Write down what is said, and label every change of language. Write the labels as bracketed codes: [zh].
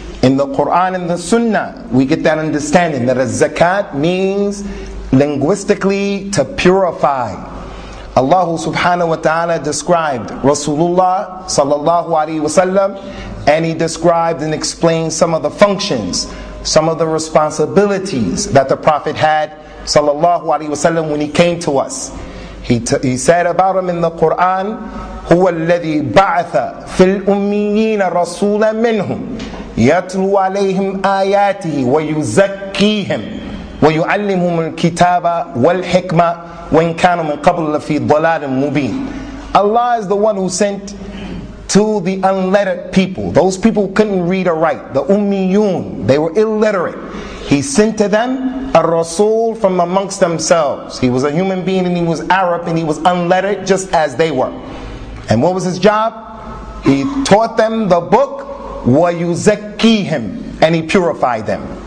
[en] In the Quran and the Sunnah, we get that understanding that a zakat means linguistically to purify. Allah subhanahu wa ta'ala described Rasulullah sallallahu alayhi wa sallam, and he described and explained some of the functions, some of the responsibilities that the Prophet had sallallahu alayhi wa sallam when he came to us. He said about him in the Quran, [ar] هُوَ الَّذِي بَعَثَ فِي الْأُمِّيِّينَ رَسُولًا مِّنْهُمْ يَتْلُوا عَلَيْهِمْ آيَاتِهِ وَيُزَكِّيهِمْ وَيُعَلِّمُهُمُ الْكِتَابَ وَالْحِكْمَةَ وَإِنْ كَانُوا مِنْ قَبْلُ لَفِي ضَلَالٍ مُبِينٍ [en] Allah is the one who sent to the unlettered people. Those people who couldn't read or write. The Ummiyun. They were illiterate. He sent to them a Rasul from amongst themselves. He was a human being and he was Arab and he was unlettered just as they were. And what was his job? He taught them the book وَيُزَكِّيهِمْ And he purified them.